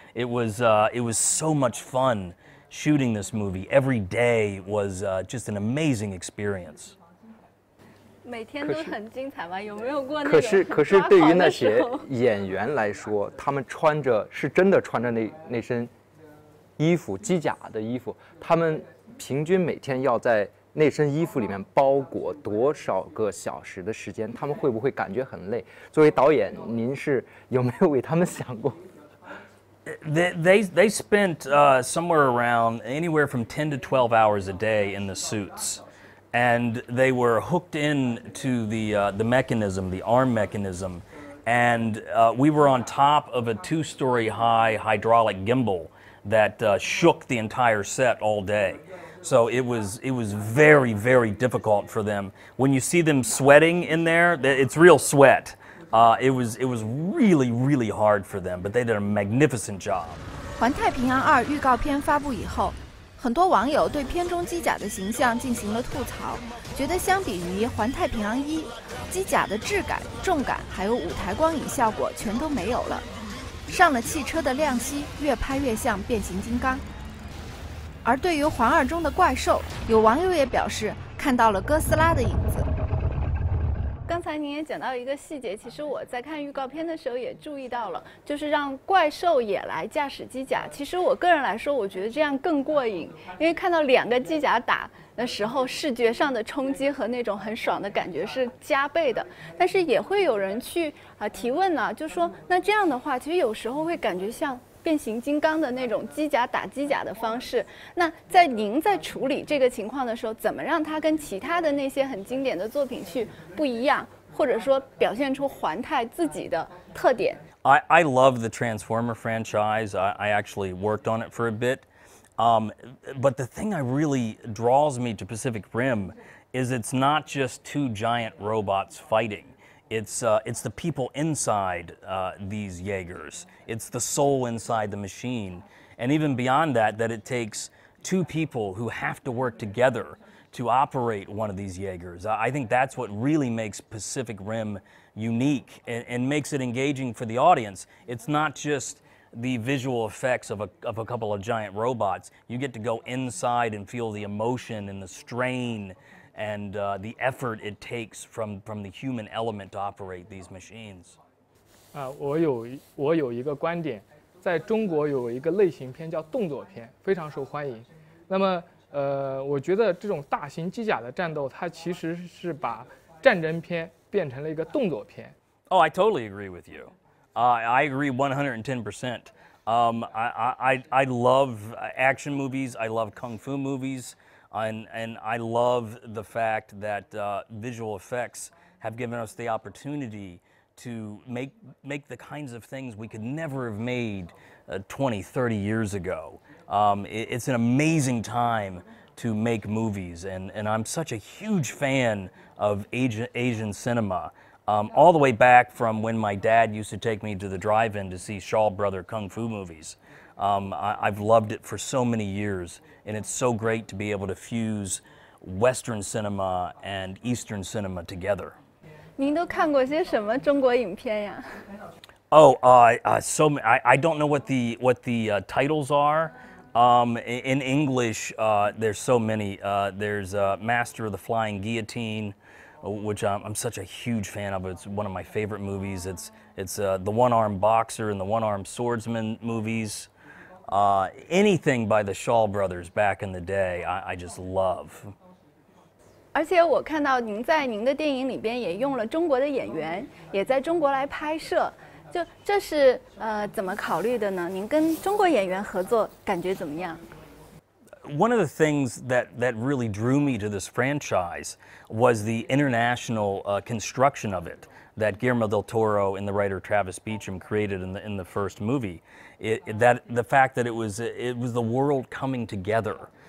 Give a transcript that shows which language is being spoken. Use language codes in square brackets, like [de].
[en] It was so much fun shooting this movie. Every day was just an amazing experience. [zh] 每天都很精彩吗？有没有过那个？可是对于那些演员来说，他们穿着是真的穿着那身衣服，机甲的衣服，他们平均每天要在那身衣服里面包裹多少个小时的时间，他们会不会感觉很累？作为导演，您是有没有为他们想过？ [en] They spent somewhere around anywhere from 10 to 12 hours a day in the suits, and they were hooked in to the mechanism, the arm mechanism, and we were on top of a two-story high hydraulic gimbal that shook the entire set all day. So it was very, very difficult for them. When you see them sweating in there, it's real sweat. It was really, really hard for them, but they did a magnificent job. [zh] 环太平洋2预告片发布以后，很多网友对片中机甲的形象进行了吐槽，觉得相比于环太平洋1，机甲的质感、重感还有舞台光影效果全都没有了。上了汽车的亮熙越拍越像变形金刚。而对于环2中的怪兽，有网友也表示看到了哥斯拉的影子。刚才您也讲到一个细节，其实我在看预告片的时候也注意到了，就是让怪兽也来驾驶机甲。其实我个人来说，我觉得这样更过瘾，因为看到两个机甲打的时候，视觉上的冲击和那种很爽的感觉是加倍的。但是也会有人去提问呢，就说那这样的话，其实有时候会感觉像变形金刚的那种机甲打机甲的方式。那在您在处理这个情况的时候，怎么让它跟其他的那些很经典的作品去不一样，或者说表现出环太自己的特点？ [en] I love the Transformer franchise. I actually worked on it for a bit. But the thing that really draws me to Pacific Rim is it's not just two giant robots fighting. It's the people inside these Jaegers. It's the soul inside the machine. And even beyond that, that it takes two people who have to work together to operate one of these Jaegers. I think that's what really makes Pacific Rim unique and makes it engaging for the audience. It's not just the visual effects of a couple of giant robots. You get to go inside and feel the emotion and the strain. And the effort it takes from the human element to operate these machines. [zh] 啊，我有一个观点，在中国有一个类型片叫动作片，非常受欢迎。那么，我觉得这种大型机甲的战斗，它其实是把战争片变成了一个动作片。 [en] Oh, I totally agree with you. I agree 110%. I love action movies. I love kung fu movies. And I love the fact that visual effects have given us the opportunity to make the kinds of things we could never have made 20, 30 years ago. It's an amazing time to make movies, and I'm such a huge fan of Asian cinema. All the way back from when my dad used to take me to the drive-in to see Shaw Brother Kung Fu movies. I've loved it for so many years, and it's so great to be able to fuse Western cinema and Eastern cinema together. [zh] 您都看过些什么中国影片呀？ [en] I don't know what the titles are. In English, there's so many. There's Master of the Flying Guillotine, which I'm such a huge fan of. It's one of my favorite movies. It's the one-armed boxer and the one-armed swordsman movies. Anything by the Shaw brothers back in the day, I just love. [zh] 而且我看到您在您的电影里边也用了中国的演员，也在中国来拍摄，就这是怎么考虑的呢？您跟中国演员合作感觉怎么样？ [en] One of the things that really drew me to this franchise was the international construction of it that Guillermo del Toro and the writer Travis Beecham created in the first movie. The fact that it was the world coming together.